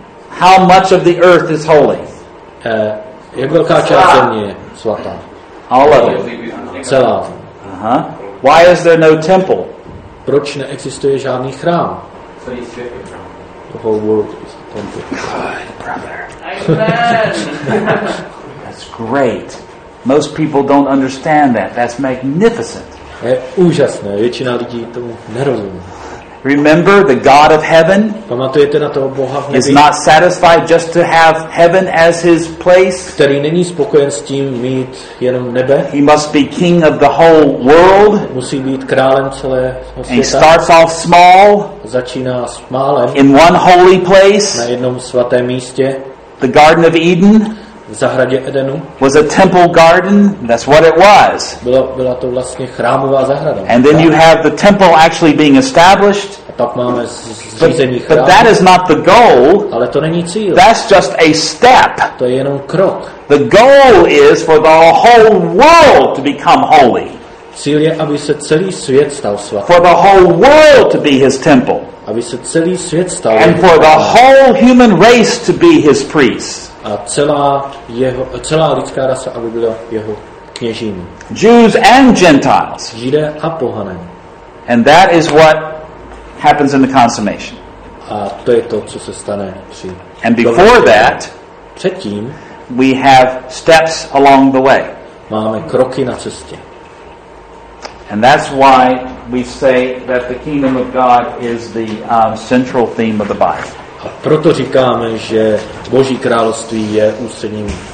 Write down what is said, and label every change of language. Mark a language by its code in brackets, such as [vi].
[en] How much of the earth is holy? [cs] Jak velká část země je svatá? [en] All of it. [cs] Celá. [en] Uh-huh. Why is there no temple? [cs] Proč neexistuje žádný chrám? [en] The whole world is a temple. Good brother. That's great. Most people don't understand that. That's magnificent. [cs] Je úžasné. Většina lidí tomu nerozumí. [en] Remember the God of heaven? [cs] Pamatujete na toho Boha v nebi? [en] Is not satisfied just to have heaven as his place? [cs] Který není spokojen s tím mít jenom nebe? [en] He must be king of the whole world. [cs] Musí být králem celého světa. [en] He starts off small. [cs] Začíná s málem. [en] In one holy place. [cs] Na jednom svatém místě. [en] The Garden of Eden. [cs] V zahradě Edenu. [en] Was a temple garden, that's what it was. [cs] Byla to vlastně chrámová zahrada. [en] And then you have the temple actually being established. [cs] A tak máme zřízení chrámu. [en] But that is not the goal. [cs] Ale to není cíl. [en] That's just a step. [cs] To je jenom krok. [en] The goal is for the whole world to become holy. [cs] Cíl je, aby se celý svět stal svatý. [en] For the whole world to be his temple. [cs] Aby se celý svět stal. [en] And for the whole human race to be his priest. [cs] A celá lidská rasa, aby byla jeho kněžím. [en] Jews and Gentiles. [cs] Židé a pohané. [en] And that is what happens in the consummation. [cs] A to je to, co se stane při. [en] And before that, [cs] předtím, [en] we have steps along the way. [cs] Máme kroky na cestě. [en] And that's why we say that the kingdom of God is the central theme of the Bible. [cs] A proto říkáme, že Boží království je ústředním.